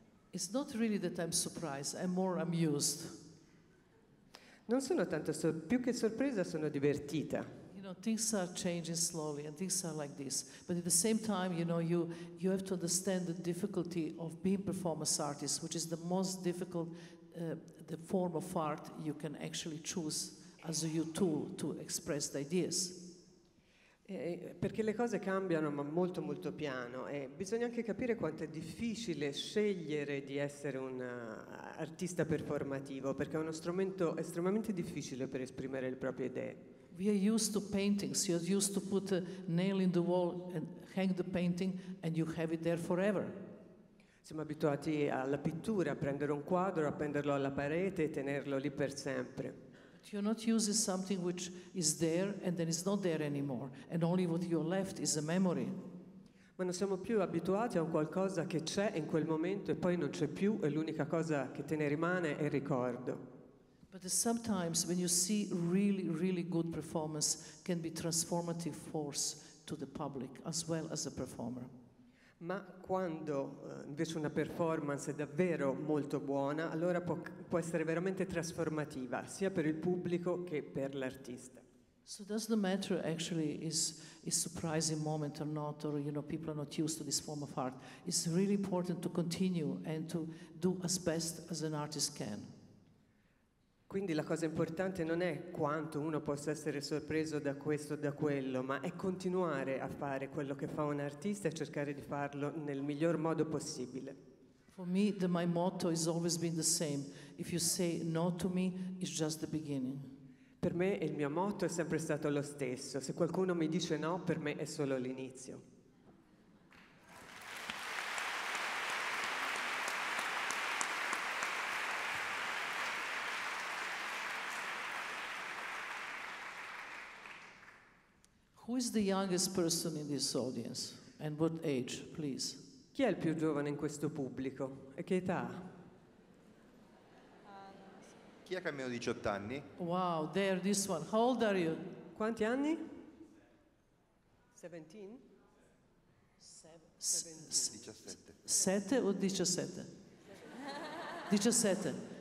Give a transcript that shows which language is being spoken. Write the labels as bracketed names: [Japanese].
[English] It's not really that I'm surprised, I'm more amused. [Italian] Non sono tanto più che sorpresa, sono divertita. [English] You know, things are changing slowly and things are like this. But at the same time, you know, you have to understand the difficulty of being performance artist, which is the most difficult the form of art you can actually choose as your tool to express the ideas. [Italian] Perché le cose cambiano, ma molto molto piano, e bisogna anche capire quanto è difficile scegliere di essere un artista performativo, perché è uno strumento estremamente difficile per esprimere le proprie idee. [English] We are used to paintings, you are used to put a nail in the wall and hang the painting and you have it there forever. [Italian] Siamo abituati alla pittura, a prendere un quadro, appenderlo alla parete e tenerlo lì per sempre. [English] You're not using something which is there and then is not there anymore, and only what you're left is a memory. [Italian] Ma non siamo più abituati a un qualcosa che c'è in quel momento e poi non c'è più, e l'unica cosa che te ne rimane è il ricordo. [English] But sometimes when you see really, really good performance can be transformative force to the public as well as a performer. [Italian] Ma quando invece una performance è davvero molto buona, allora può essere veramente trasformativa sia per il pubblico che per l'artista. [English] So does the matter actually is surprising moment or not, or you know, people are not used to this form of art. It's really important to continue and to do as best as an artist can. [Italian] Quindi la cosa importante non è quanto uno possa essere sorpreso da questo o da quello, ma è continuare a fare quello che fa un artista e cercare di farlo nel miglior modo possibile. [English] For me, my motto has always been the same. If you say no to me, it's just the beginning. [Italian] Per me il mio motto è sempre stato lo stesso. Se qualcuno mi dice no, per me è solo l'inizio. [English] Who is the youngest person in this audience and what age, please? [Italian] Chi è il più giovane in questo pubblico e che età? Chi ha almeno 18 anni? [English] Wow, there, this one. How old are you? [Italian] Quanti anni? 17? 17. 7 o 17? 17.